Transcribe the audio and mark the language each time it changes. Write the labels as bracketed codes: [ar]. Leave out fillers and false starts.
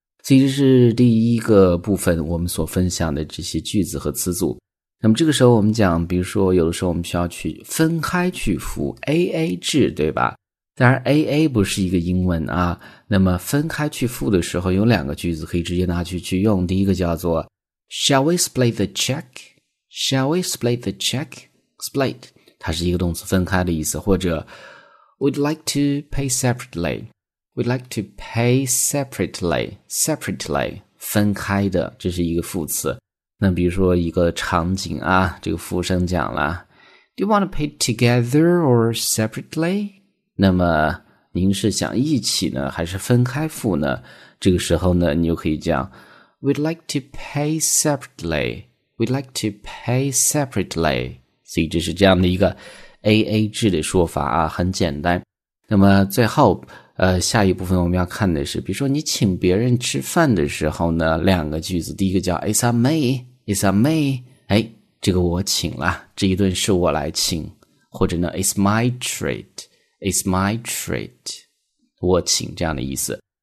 [zh] 所以这是第一个部分我们所分享的这些句子和词组。那么这个时候我们讲，比如说有的时候我们需要去分开去服务 AA 制，对吧？当然 AA 不是一个英文啊。那么分开去付的时候有两个句子可以直接拿去用。 [en] 第一个叫做 Shall we split the check? Shall we split the check? [zh] Split 它是一个动词，分开的意思。 [en] 或者 We'd like to pay separately. We'd like to pay separately, separately, 分开的，这是一个副词。 [zh] 那比如说一个场景啊，这个服务生讲了 Do you want to pay together or separately? 那么您是想一起呢，还是分开付呢？ [en] 这个时候呢，你就可以讲 We'd like to pay separately, we'd like to pay separately. [zh] 所以这是这样的一个 AA 制的说法啊，很简单。那么最后下一部分我们要看的是，比如说你请别人吃饭的时候呢，两个句子，第一个叫 It's on me, it's on me, 哎，这个我请了，这一顿是我来请，或者呢 It's my treat, it's my treat, 我请，这样的意思。